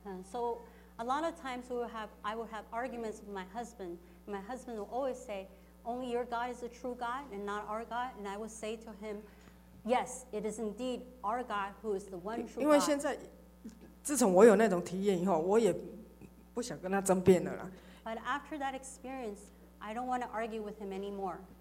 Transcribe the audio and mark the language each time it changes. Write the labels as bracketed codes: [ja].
[en] So a lot of times I will have arguments with my husband. My husband will always say, only your God is the true God and not our God. And I will say to him, yes, it is indeed our God who is the one true God. [zh] 因为现在自从我有那种体验以后，我也不想跟他争辩了啦。 [en] But after that experience, I don't want to argue with him anymore.